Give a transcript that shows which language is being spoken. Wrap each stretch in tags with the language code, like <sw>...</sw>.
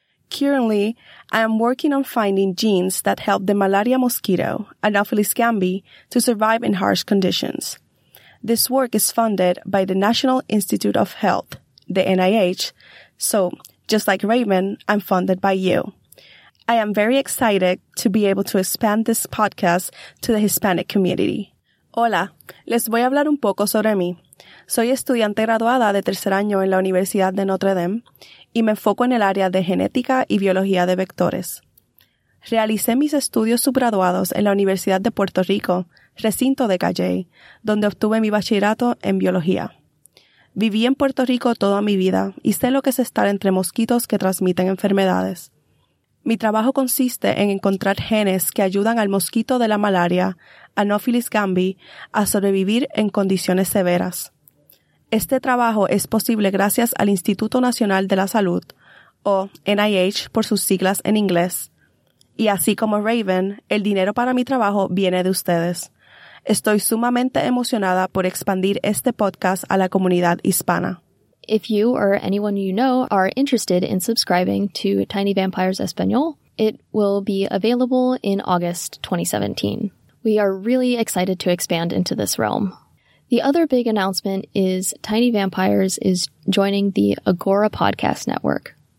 <en>Currently, I am working on finding genes that help the malaria mosquito, Anopheles gambi, to survive in harsh conditions. This work is funded by the National Institute of Health, the NIH, so just like Raven, I'm funded by you. I am very excited to be able to expand this podcast to the Hispanic community.</en> <es>Hola, les voy a hablar un poco sobre mí. Soy estudiante graduada de tercer año en la Universidad de Notre Dame y me enfoco en el área de genética y biología de vectores. Realicé mis estudios subgraduados en la Universidad de Puerto Rico, recinto de Cayey, donde obtuve mi bachillerato en biología. Viví en Puerto Rico toda mi vida y sé lo que es estar entre mosquitos que transmiten enfermedades. Mi trabajo consiste en encontrar genes que ayudan al mosquito de la malaria, Anopheles gambi, a sobrevivir en condiciones severas. Este trabajo es posible gracias al Instituto Nacional de la Salud, o NIH por sus siglas en inglés. Y así como Raven, el dinero para mi trabajo viene de ustedes. Estoy sumamente emocionada por expandir este podcast a la comunidad hispana.</es> <en>If you or anyone you know are interested in subscribing to Tiny Vampires Español, it will be available in August 2017. We are really excited to expand into this realm. The other big announcement is Tiny Vampires is joining the Agora Podcast Network.</en>